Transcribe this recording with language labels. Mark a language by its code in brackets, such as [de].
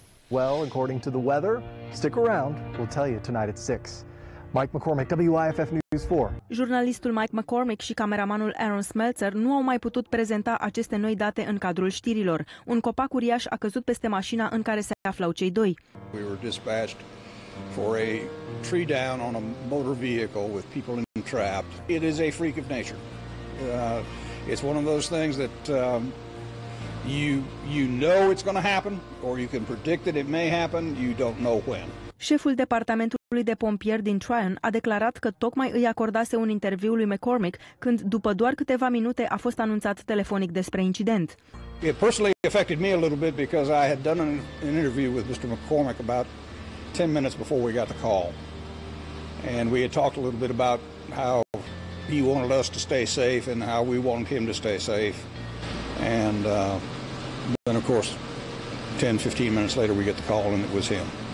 [en] Well, according to the weather, stick around. We'll tell you tonight at 6. Mike McCormick, WIFF News 4. [ro] Jurnalistul Mike McCormick și cameramanul Aaron Smeltzer nu au mai putut prezenta aceste noi date în cadrul știrilor. Un copac uriaș a căzut peste mașina în care se aflau cei doi. [en] We were dispatched for a tree down on a motor vehicle with people entrapped. It is a freak of nature. It's one of those things that you know it's going to happen, or you can predict that it may happen, you don't know when. [ro] Șeful departamentului de pompieri din Tryon a declarat că tocmai îi acordase un interviu lui McCormick când, după doar câteva minute, a fost anunțat telefonic despre incident. [en] It personally affected me a little bit because I had done an interview with Mr. McCormick about 10 minutes before we got the call. And we had talked a little bit about how he wanted us to stay safe and how we wanted him to stay safe. And then, of course, 10-15 minutes later we get the call and it was him.